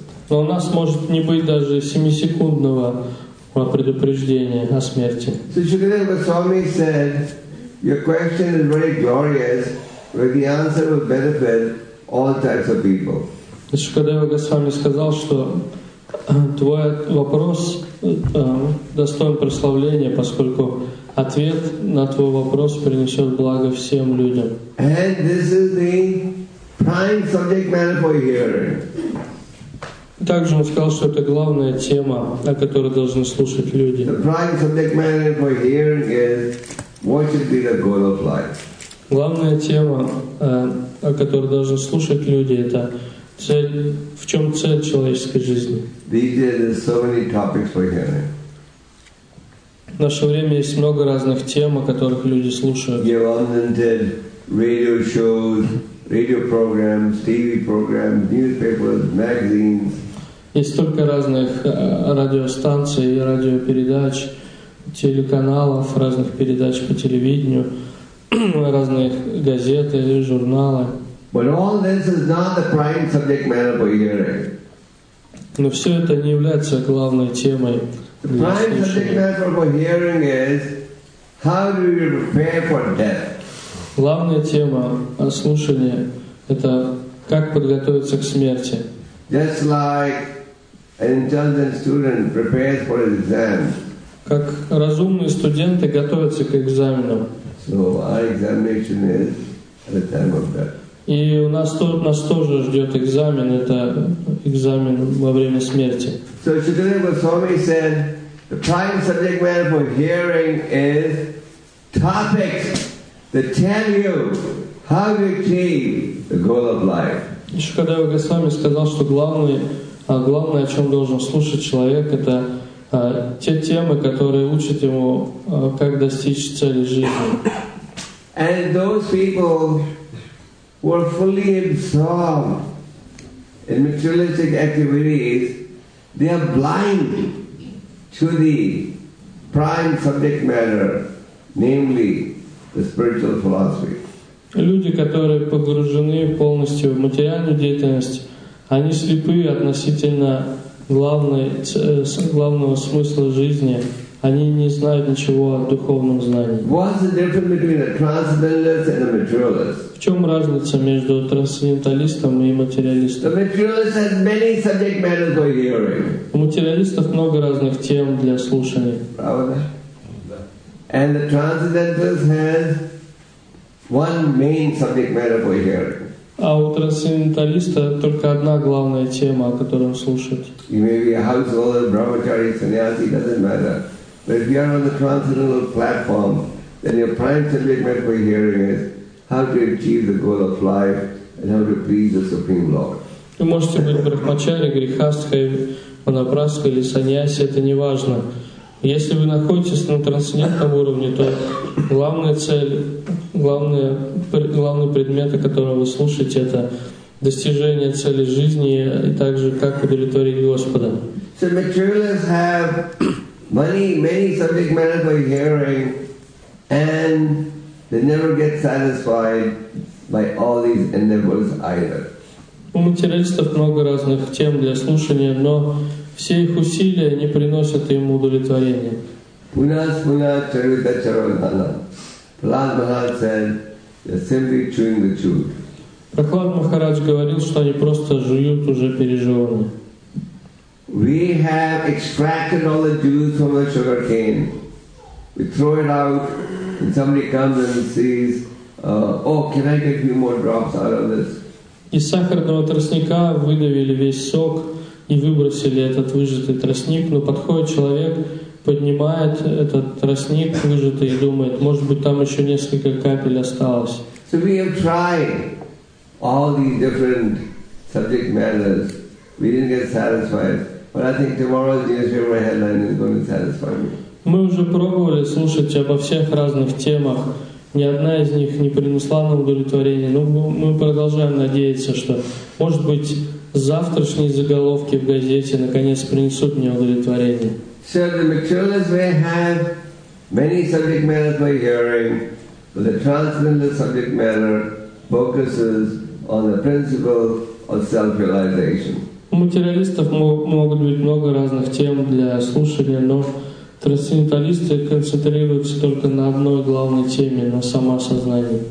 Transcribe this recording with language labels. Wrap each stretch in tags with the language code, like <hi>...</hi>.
<ru>Но у нас может не быть даже 7-секундного предупреждения о смерти.</ru> <en>So Shukadeva Goswami said, your question is very glorious, but the answer will benefit all types of people.</en> <ru>Шукадева Госвами сказал, что твой вопрос достоин прославления, поскольку ответ на твой вопрос принесет благо всем людям.</ru> <en>And this is the prime subject matter for hearing.</en> <ru>Также он сказал, что это главная тема, о которой должны слушать люди.</ru> <en>The prime subject matter for hearing is what should be the goal of life.</en> <ru>Главная тема, о которой должны слушать люди, это цель, в чем цель человеческой жизни. В наше время есть много разных тем, о которых люди слушают.</ru> <en>Unlimited radio shows, radio programs, TV programs, newspapers, magazines.</en> <ru>Есть столько разных радиостанций, радиопередач, телеканалов, разных передач по телевидению, разные газеты и журналы.</ru> <en>But all this is not the prime subject matter for hearing.</en> <ru>Но все это не является главной темой.</ru> <en>Prime subject matter for hearing is how do you prepare for death?</en> <ru>Главная тема слушания – это как подготовиться к смерти.</ru> <en>Just like an intelligent student prepares for his exam.</en> <ru>Как разумные студенты готовятся к экзаменам.</ru> <en>So our examination is at the time of death.</en> <ru>И у нас тут нас тоже ждет экзамен, это экзамен во время смерти.</ru> <en>So Shukadeva Goswami said, the prime subject matter for hearing is topics that tell you how to achieve the goal of life.</en> <ru>Shukadeva Goswami сказал, что главное, о чем должен слушать человек, это те темы, которые учат ему, как достичь цели жизни.</ru> <en>And those people were fully absorbed in materialistic activities, they are blind to the prime subject matter, namely the spiritual philosophy.</en> <ru>Люди, которые погружены полностью в материальную деятельность, они слепы относительно главного смысла жизни. Они не знают ничего о духовном знании.</ru> <en>What's the difference between a transcendentalist and a materialist?</en> <ru>В чем разница между трансценденталистом и материалистом?</ru> <en>The materialist has many subject matters for hearing.</en> <ru>У материалистов много разных тем для слушания. Правда?</ru> <en>And the transcendentalist has one main subject matter for hearing.</en> <ru>А у трансценденталиста только одна главная тема, о которой он слушает.</ru> <en>You may be a householder, brahmachari, sannyasi, doesn't matter. But if you are on the transcendental platform, then your prime subject matter for hearing is how to achieve the goal of life and how to please the Supreme Lord. You must be a brahmachari, grihastha, vanaprastha,</en> <ru>или sannyasi, это не важно. Если вы находитесь на трансцендентном уровне, то главная цель, главный предмет, о котором вы слушаете, это достижение цели жизни и также как удовлетворить Господа.</ru> <en>So materialists have many subject matters by hearing, and they never get satisfied by all these endeavors either.</en> <ru>У материалистов много разных тем для слушания, но все их усилия не приносят им удовлетворения.</ru> <sa>Пунас-пунас чарвита-чарвана.</sa> <en>Прахлад Махарадж said, they're simply chewing the chew.</en> <ru>Прахлад Махарадж говорил, что они просто жуют уже пережеванное.</ru> <en>We have extracted all the juice from the sugar cane. We throw it out, and somebody comes and says, can I get a few more drops out of this?</en> <ru>Из сахарного тростника выдавили весь сок, и выбросили этот выжатый тростник, но подходит человек, поднимает этот тростник выжатый и думает, может быть, там еще несколько капель осталось.</ru> <en>So we have tried all these different subject matters. We didn't get satisfied. But I think tomorrow's newspaper headline is going to satisfy me.</en> <ru>Мы уже пробовали слушать обо всех разных темах. Ни одна из них не принесла нам удовлетворения. Но мы продолжаем надеяться, что, может быть, завтрашние заголовки в газете наконец принесут мне удовлетворение.</ru> <en>So the materialists may have Many subject matters by hearing, but the transcendental subject matter focuses on the principle of self-realization.</en> <ru>У материалистов могут быть много разных тем для слушания, но трансценденталисты концентрируются только на одной главной теме, на самоосознании.</ru>